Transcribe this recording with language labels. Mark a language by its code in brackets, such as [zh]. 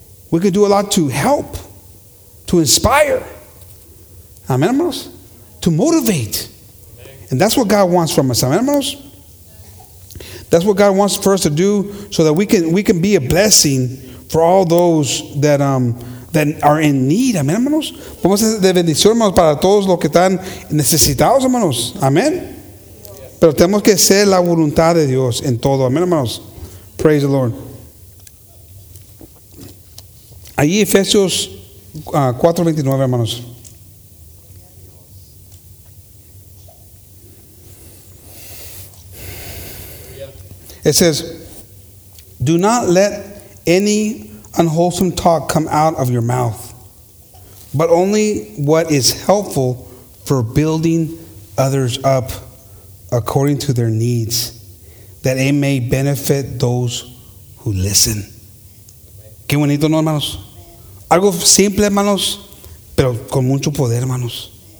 [en] We can do a lot to help, to inspire. Amen, hermanos? To motivate. And that's what God wants from us. Amen, hermanos? That's what God wants for us to do so that we can be a blessing for all those that that are in need. Amen, hermanos? [es] Vamos a ser de bendición, hermanos, para todos los que están necesitados, hermanos. Amen. Pero tenemos que ser la voluntad de Dios en todo. [en] Amen, hermanos. Praise the Lord. [es] Ahí Efesios 4:29, hermanos. [en] It says, do not let any unwholesome talk come out of your mouth, but only what is helpful for building others up according to their needs, that it may benefit those who listen. [es] Qué bonito, ¿no, hermanos? Algo simple, hermanos, pero con mucho poder, hermanos.